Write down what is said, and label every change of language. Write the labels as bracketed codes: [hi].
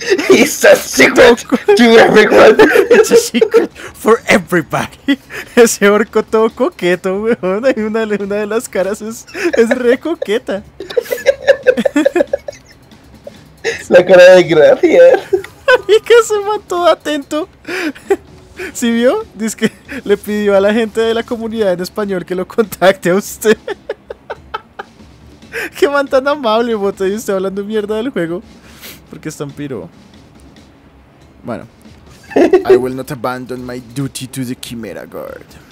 [en] It's a secret to everyone. It's a secret for everybody. [es] Ese orco todo coqueto, weón. Hay una de las caras es re coqueta. La cara de gracia. Y que se va todo atento. ¿Sí vio? Dice que le pidió a la gente de la comunidad en español que lo contacte a usted. Qué man tan amable, bote, y usted hablando mierda del juego. Porque es tan piro. Bueno. [en] I will not abandon my duty to the Chimera Guard.